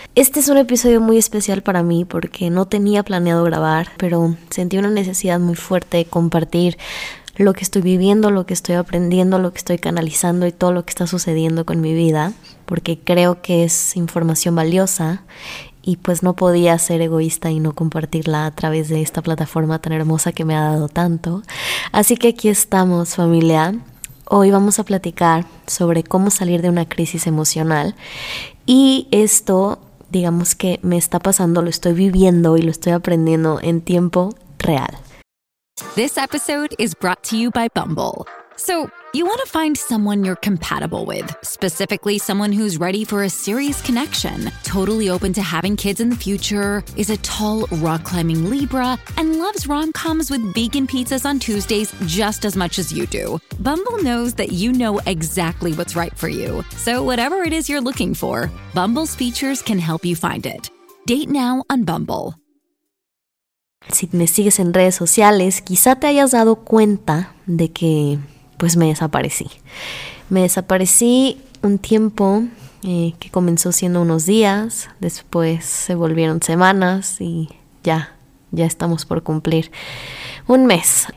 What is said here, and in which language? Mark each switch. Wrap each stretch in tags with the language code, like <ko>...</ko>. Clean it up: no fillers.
<es>Este es un episodio muy especial para mí porque no tenía planeado grabar, pero sentí una necesidad muy fuerte de compartir lo que estoy viviendo, lo que estoy aprendiendo, lo que estoy canalizando y todo lo que está sucediendo con mi vida, porque creo que es información valiosa y pues no podía ser egoísta y no compartirla a través de esta plataforma tan hermosa que me ha dado tanto. Así que aquí estamos, familia. Hoy vamos a platicar sobre cómo salir de una crisis emocional. Y esto, digamos que me está pasando, lo estoy viviendo y lo estoy aprendiendo en tiempo real.</es> <en>This episode is brought to you by Bumble. So, you want to find someone you're compatible with, specifically someone who's ready for a serious connection, totally open to having kids in the future, is a tall, rock-climbing Libra, and loves rom-coms with vegan pizzas on Tuesdays just as much as you do. Bumble knows that you know exactly what's right for you. So whatever it is you're looking for, Bumble's features can help you find it. Date now on Bumble.</en> <es>Si me sigues en redes sociales, quizá te hayas dado cuenta de que pues me desaparecí. Me desaparecí un tiempo que comenzó siendo unos días, después se volvieron semanas y ya estamos por cumplir un mes.</es>